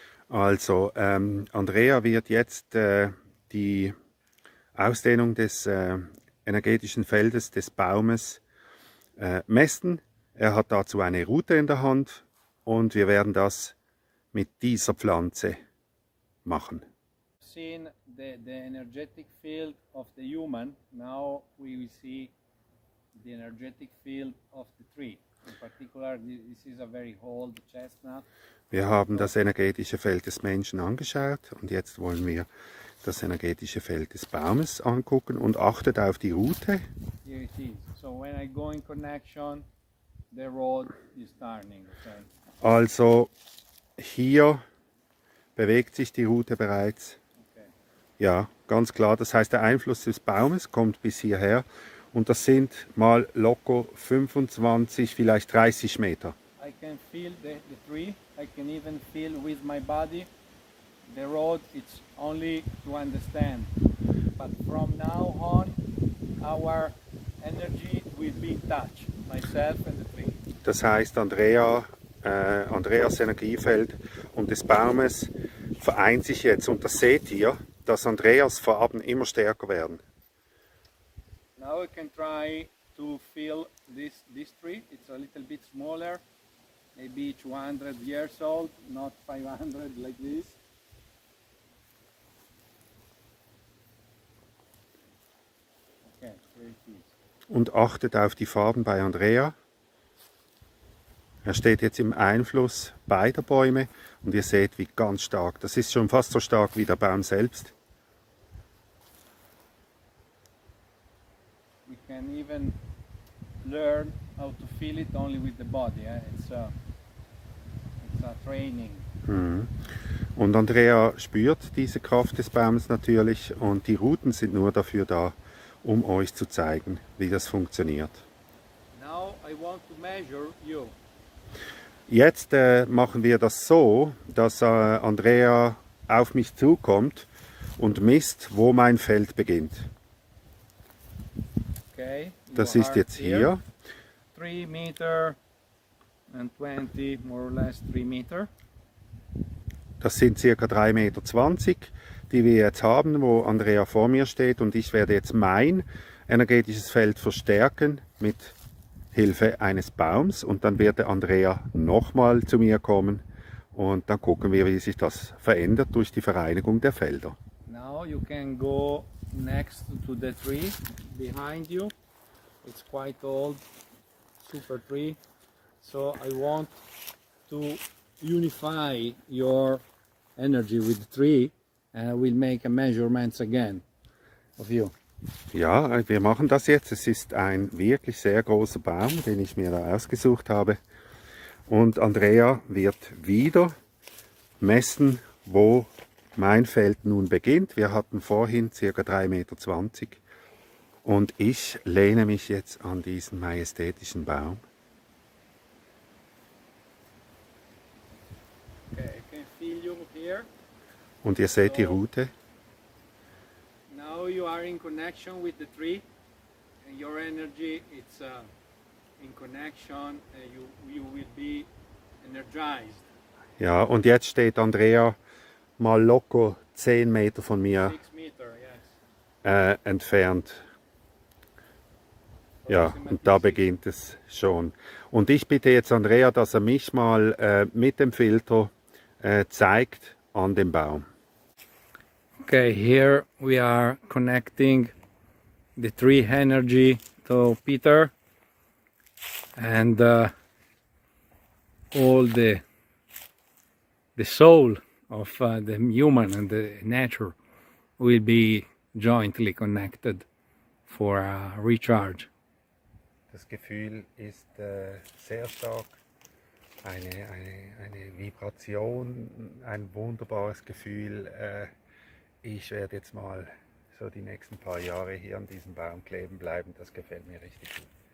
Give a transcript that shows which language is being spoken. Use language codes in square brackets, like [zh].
[de] Also, Andrea wird jetzt die Ausdehnung des energetischen Feldes, des Baumes, messen. Er hat dazu eine Route in der Hand und wir werden das mit dieser Pflanze machen. [en] Seen the energetic field of the human. Now we will see the energetic field of the tree. In particular, this is a very old chestnut. [de] Wir haben das energetische Feld des Menschen angeschaut und jetzt wollen wir das energetische Feld des Baumes angucken und achtet auf die Route. [en] Here it is. So when I go in connection, the road is turning. Okay. [de] Also hier bewegt sich die Route bereits. Okay. Ja, ganz klar. Das heißt, der Einfluss des Baumes kommt bis hierher. Und das sind mal locker 25, vielleicht 30 Meter. [en] I can feel the tree. I can even feel with my body. The road is only to understand. But from now on, our energy will be touched. Myself and the tree. [de] Das heißt, Andreas Energiefeld und des Baumes vereint sich jetzt. Und das seht ihr, dass Andreas Farben immer stärker werden. [en] Now we can try to feel this tree. It's a little bit smaller, maybe 200 years old, not 500 like this. Okay, [de] und achtet auf die Farben bei Andrea. Er steht jetzt im Einfluss beider Bäume und ihr seht, wie ganz stark. Das ist schon fast so stark wie der Baum selbst. [en] We can even learn how to feel it only with the body. It's a training. [de] Und Andrea spürt diese Kraft des Baumes natürlich und die Routen sind nur dafür da, um euch zu zeigen, wie das funktioniert. [en] Now I want to measure you. [de] Jetzt machen wir das so, dass Andrea auf mich zukommt und misst, wo mein Feld beginnt. Okay, das ist jetzt hier. [en] 3 Meter and 20, more or less 3 Meter. [de] Das sind ca. 3,20 Meter, die wir jetzt haben, wo Andrea vor mir steht. Und ich werde jetzt mein energetisches Feld verstärken mit Hilfe eines Baums. Und dann wird Andrea nochmal zu mir kommen. Und dann gucken wir, wie sich das verändert durch die Vereinigung der Felder. [en] Now you can go next to the tree behind you. It's quite old, super tree. So I want to unify your energy with the tree and I will make a measurements again of you. [de] Ja, wir machen das jetzt. Es ist ein wirklich sehr großer Baum, den ich mir da ausgesucht habe. Und Andrea wird wieder messen, wo mein Feld nun beginnt. Wir hatten vorhin ca. 3,20 Meter und ich lehne mich jetzt an diesen majestätischen Baum. [en] Okay, I can feel you here. [de] Und ihr seht so, die Route. [en] Now you are in connection with the tree and your energy it's in connection and you will be energized. [de] Ja, und jetzt steht Andrea mal loco 10 Meter von mir entfernt. Ja, und da beginnt es schon. Und ich bitte jetzt Andrea, dass er mich mal mit dem Filter zeigt an dem Baum. [en] Okay, here we are connecting the tree energy to Peter and all the soul of the human and the nature will be jointly connected for a recharge. [de] Das Gefühl ist sehr stark, eine Vibration, ein wunderbares Gefühl. Ich werde jetzt mal so die nächsten paar Jahre hier an diesem Baum kleben bleiben, das gefällt mir richtig gut.